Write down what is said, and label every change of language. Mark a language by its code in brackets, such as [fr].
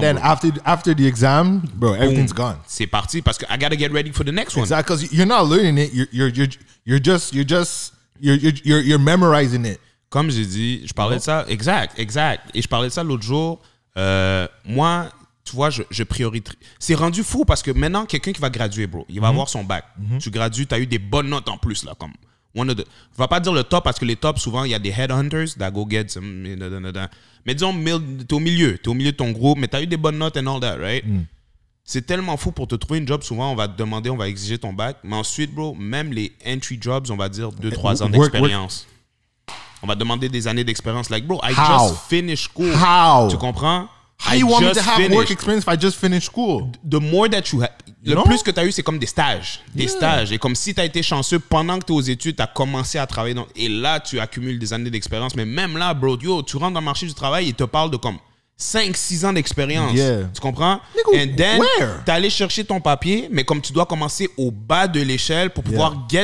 [en] but then after the exam, bro, everything's boom. Gone. [fr] C'est parti, parce que [en] I gotta get ready for the next one. Exactly, because you're not learning it, you're memorizing it. [fr] Comme j'ai dit, je parlais de ça, exact. Et je parlais de ça l'autre jour. Moi, tu vois, je priorise. C'est rendu fou parce que maintenant, quelqu'un qui va graduer, bro, il va avoir son bac. Mm-hmm. Tu gradues, tu as eu des bonnes notes en plus, là, comme [en] one of the. [fr] Je ne vais pas dire le top parce que les tops, souvent, il y a des headhunters [en] that go get some. [fr] Mais disons, tu es au milieu de ton groupe, mais tu as eu des bonnes notes [en] and all that, right? [fr] Mm. C'est tellement fou pour te trouver une job. Souvent, on va te demander, on va exiger ton bac. Mais ensuite, bro, même les [en] entry jobs, [fr] on va dire 2-3 ans d'expérience. On va demander des années d'expérience. [en] Like, bro, I How? Just finished school. How? [fr] Tu comprends? [en] How you want me to have work experience if I just finished school? The more that you have... [fr] Le non? plus que tu as eu, c'est comme des stages. Des yeah. stages. Et comme si tu as été chanceux, pendant que tu es aux études, tu as commencé à travailler. Dans, et là, tu accumules des années d'expérience. Mais même là, bro, yo, tu rentres dans le marché du travail, ils te parlent de comme 5-6 ans d'expérience. [en] Yeah. [fr] Tu comprends? [en] Like, and then, [fr] tu es allé chercher ton papier, mais comme tu dois commencer au bas de l'échelle pour pouvoir yeah.